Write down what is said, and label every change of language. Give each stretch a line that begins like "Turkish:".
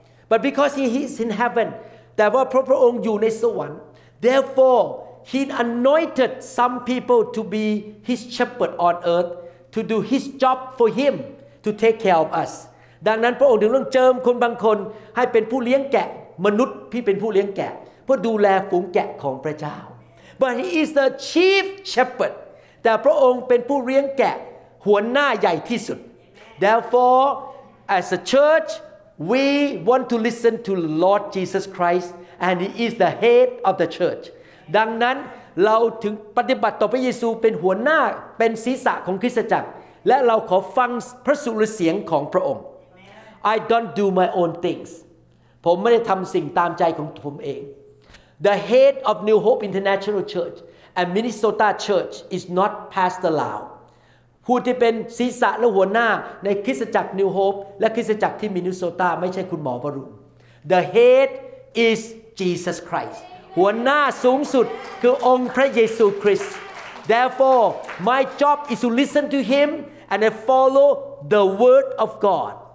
English: But because he is in heaven
Thai: แต่ว่าพระองค์อยู่ในสวรรค์
English: Therefore he anointed some people to be his shepherd on earth to do his job for him to take care of us
Thai: ดังนั้นพระองค์ถึงต้องเจิมคนบางคนให้เป็นผู้เลี้ยงแกะมนุษย์ที่เป็นผู้เลี้ยงแกะเพื่อดูแลฝูงแกะของพระเจ้า
English: But he is the chief shepherd
Thai: แต่พระองค์เป็นผู้เลี้ยงแกะหัวหน้าใหญ่ที่สุด
English: Therefore, as a church, we want to listen to the Lord Jesus Christ, and He is the head of the church.
Thai: ดังนั้นเราถึงปฏิบัติต่อพระเยซูเป็นหัวหน้าเป็นศีรษะของคริสตจักรและเราขอฟังพระสุรเสียงของพระองค์
English: I don't do my own things
Thai: ผมไม่ได้ทำสิ่งตามใจของผมเอง
English: The head of New Hope International Church and Minnesota Church is not Pastor Lau
Thai: ผู้ที่เป็นศีรษะและหัวหน้าในคริสตจักร New Hope และคริสตจักรที่มินนิโซตาไม่ใช่คุณหมอวรุณ
English: The head is Jesus Christ
Thai: หัวหน้าสูงสุดคือองค์พระเยซูคริสต์
English: Therefore my job is to listen to him and I follow the word of God